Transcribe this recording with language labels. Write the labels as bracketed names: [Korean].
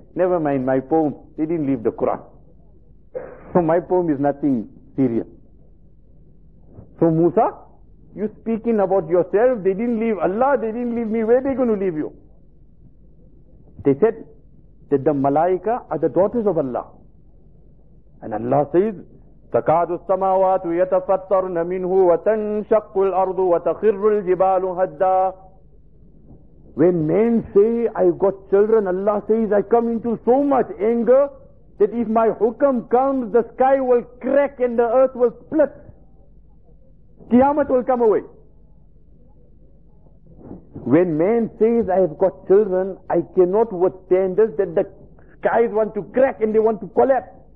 [English] Never mind my poem. They didn't leave the Quran. So my poem is nothing serious. So Musa, you speaking about yourself. They didn't leave Allah. They didn't leave me. Where are they going to leave you? They said that the malaika are the daughters of Allah. And Allah says, [Arabic] تكاد السماوات يتفطرن منه وتنشق الأرض وتخر الجبال هدا. [English] When men say I got children, Allah says I come into so much anger that if my hukam comes, the sky will crack and the earth will split. Qiyamah will come away. When man says I have got children, I cannot withstand this, that the skies want to crack and they want to collapse.